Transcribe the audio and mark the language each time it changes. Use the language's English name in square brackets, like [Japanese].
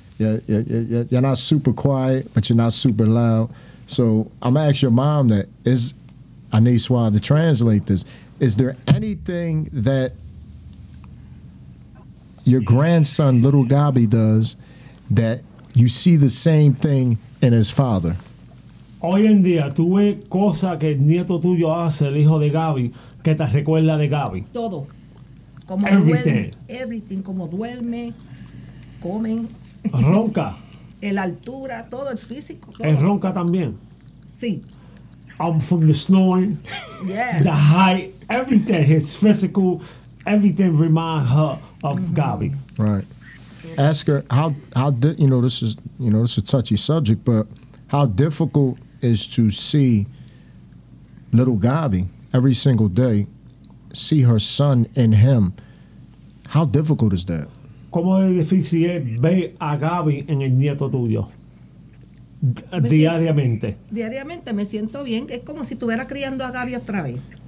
[English] Yeah, you're not super quiet, but you're not super loud. So I'm gonna ask your mom that. Is I need Swab to translate this. Is there anything that your grandson, little Gabby, does that you see the same thing in his father? [Spanish] Hoy en día, tú ves cosas que el nieto tuyo hace, el hijo de Gabby, que te recuerda de Gabby. Todo. Como [English] everything. [Spanish] Duerme, everything. Como duerme, comen. Ronca. El altura, todo, el físico. Es ronca también. Sí. [English] From the snoring. Yes. The height, everything. His physical, everything reminds her of mm-hmm. Gabby. Right. Ask her, how did, you know, this is a touchy subject, but how difficult is to see little Gabby every single day, see her son in him? How difficult is that? [Spanish] ¿Cómo es difícil ver a Gabby en el nieto tuyo diariamente? Diariamente me siento bien. Es como si estuviera criando a Gabby otra vez.